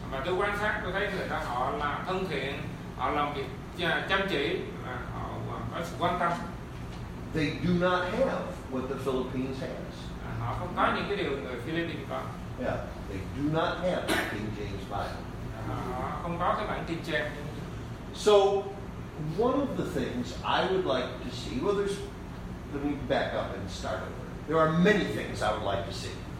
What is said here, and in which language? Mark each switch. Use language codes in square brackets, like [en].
[vi] Và tôi quan sát, tôi thấy người ta họ là thân thiện, họ làm việc chăm chỉ, họ có sự quan tâm. [en] They do not have what the Philippines has. [vi] Họ không có những cái điều người Philippines có. [en] Yeah, they do not have the King James Bible. [vi] Họ không có cái bản King James. [en] So, one of the things I would like to see, well, there's, let me back up and start over. There are many things I would like to see.